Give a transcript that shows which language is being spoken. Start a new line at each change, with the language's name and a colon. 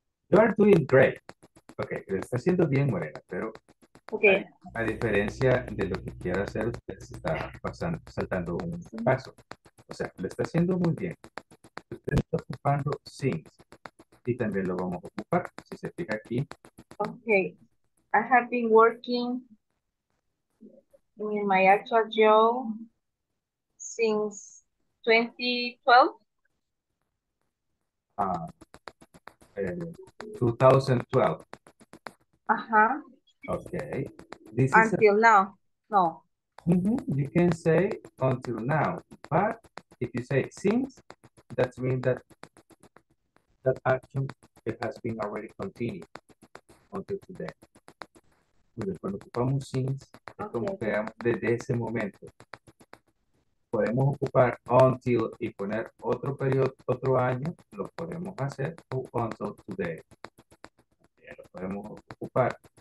English: You are doing great.
Spanish: Okay, lo está haciendo bien, Morena, pero. Okay. A diferencia de lo que quiera hacer, usted se está pasando, saltando un paso. O sea, lo está haciendo muy bien. Usted está ocupando things. Y también lo vamos a ocupar, si se fija aquí.
English: Okay. I have been working in my actual job since 2012. Uh-huh. Okay. This until is a... now. No. Mm-hmm. You can say until now, but if you say since, that means that action it has been already continued until today.
Spanish: Cuando ocupamos since, okay. Es como que desde ese momento. podemos ocupar until y poner otro periodo, otro año, lo podemos hacer until today. Ya lo podemos ocupar.